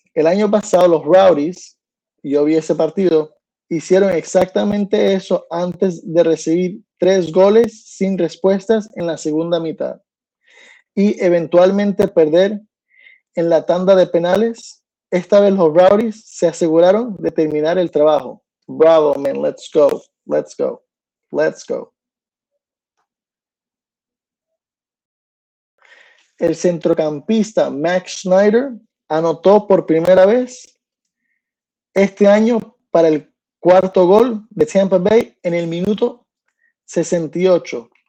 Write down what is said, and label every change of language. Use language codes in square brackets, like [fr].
[es] El año pasado los Rowdies, yo vi ese partido, hicieron exactamente eso antes de recibir 3 goles sin respuestas en la segunda mitad y eventualmente perder en la tanda de penales. Esta vez los Rowdies se aseguraron de terminar el trabajo. [en] Bravo, man, let's go, let's go, let's go. [es] El centrocampista Max Schneider anotó por primera vez este año para el cuarto gol de Tampa Bay en el minuto 68.